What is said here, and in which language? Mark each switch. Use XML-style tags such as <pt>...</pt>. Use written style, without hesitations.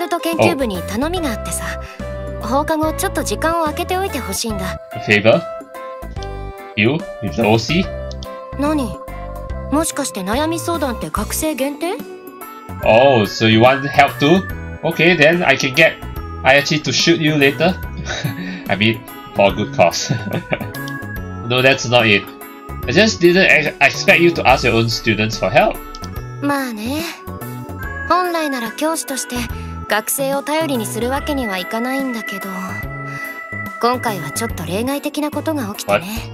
<ja>実は、君らオカルト研究部に頼みがあってさ。放課後ちょっと時間を空けておいてほしいんだ。</ja> <en>Favor? You? With the OC?</en> <ja>何? もしかして悩み相談って学生限定?</ja> <en>Oh, so you want help too? Okay, then I can get Ayachi to shoot you later. I mean, for a good cause. No, that's not it. I just didn't expect you to ask your own students for help.</en> <ja>まあね。本来なら教師として 学生を頼りにするわけにはいかないんだけど 今回はちょっと例外的なことが起きてね。</ja>